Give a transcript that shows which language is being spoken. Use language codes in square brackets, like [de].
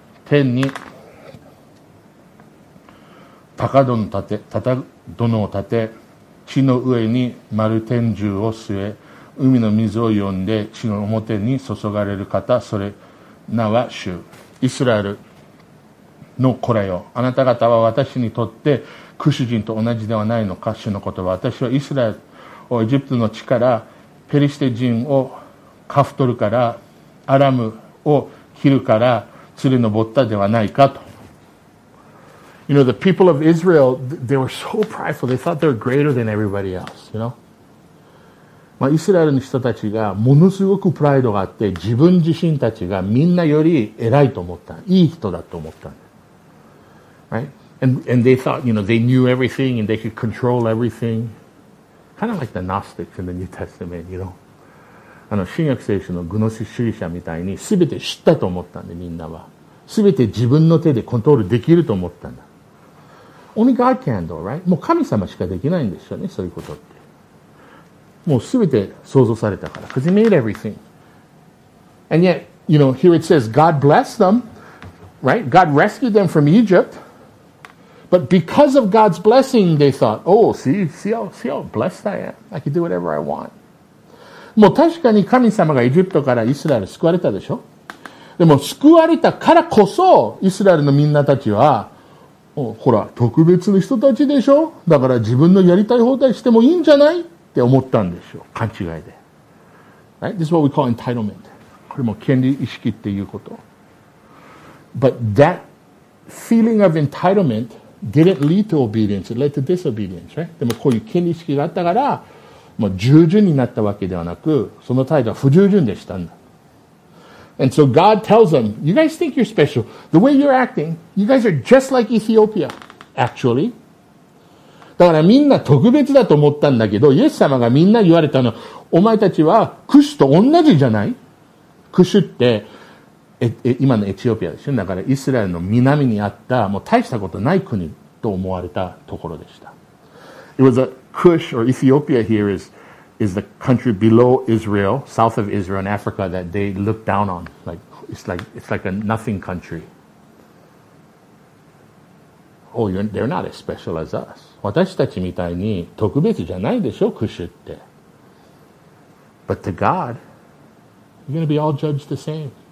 [ja] 天に高殿を立て、地の上に丸天柱を据え、海の水を呼んで地の表に注がれる方、それ名は主。イスラエルの子らよ、あなた方は私にとってクシュ人と同じではないのか、主の言葉。私はイスラエルをエジプトの地から、ペリシテ人をカフトルから、アラムをヒルから連れ上ったではないかと。 [en] You know, the people of Israel, they were so prideful. They thought they were greater than everybody else, you know? [ja] まあ、イスラエルの人たちがものすごくプライドがあって、自分自身たちがみんなより偉いと思った。いい人だと思った。 [en] Right? And they thought, you know, they knew everything and they could control everything. Kind of like the Gnostics in the New Testament, you know. [ja] あの、新約聖書のグノシ主義者みたいに全て知ったと思ったんで、みんなは。全て自分の手でコントロールできると思ったんだ。 [en] Only God can do, right? [ja] もう神様しかできないんですよね、そういうことって。もうすべて創造されたから。 [en] Because he made everything. And yet, you know, here it says God blessed them, right? God rescued them from Egypt. But because of God's blessing, they thought, oh, see how blessed I am. I can do whatever I want. [ja] もう確かに神様がエジプトからイスラエル救われたでしょ。でも救われたからこそ、イスラエルのみんなたちは、ほら、特別な人たちでしょ。だから自分のやりたい放題してもいいんじゃない?って思ったんですよ、勘違いで。 [en] Right? This is what we call entitlement. [ja] これも権利意識っていうこと。 [en] But that feeling of entitlement didn't lead to obedience, it led to disobedience, right? [ja] でもこういう権利意識があったから、もう従順になったわけではなく、その態度は不従順でしたんだ。 [en] And so God tells them, you guys think you're special. The way you're acting, you guys are just like Ethiopia, actually. [ja] だからみんな特別だと思ったんだけど、イエス様がみんな言われたのは、お前たちはクシュと同じじゃない? クシュって今のエチオピアでしょ。だからイスラエルの南にあった、もう大したことない国と思われたところでした。 [en] It was a Kush or Ethiopia here is the country below Israel, south of Israel in Africa that they looked down on. It's like a nothing country. Oh, they're not as special as us. [ja] 私たちみたいに特別じゃないでしょ、クシュって。 [en] But to God, you're going to be all judged the same.